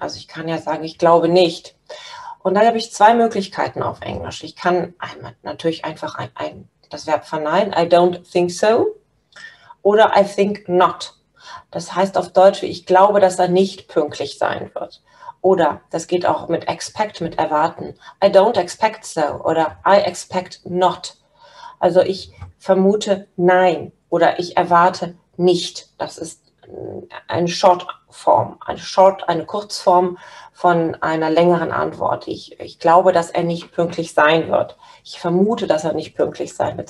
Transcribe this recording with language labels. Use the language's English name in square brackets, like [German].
[German] Also ich kann ja sagen, ich glaube nicht. Und dann habe ich zwei Möglichkeiten auf Englisch. Ich kann einmal natürlich einfach das Verb verneinen, [English] I don't think so [German] oder [English] I think not. [German] Das heißt auf Deutsch, ich glaube, dass er nicht pünktlich sein wird. Oder das geht auch mit expect, mit erwarten. [English] I don't expect so oder I expect not. [German] Also ich vermute nein oder ich erwarte nicht. Das ist eine Shortform, eine Kurzform von einer längeren Antwort. Ich glaube, dass er nicht pünktlich sein wird. Ich vermute, dass er nicht pünktlich sein wird.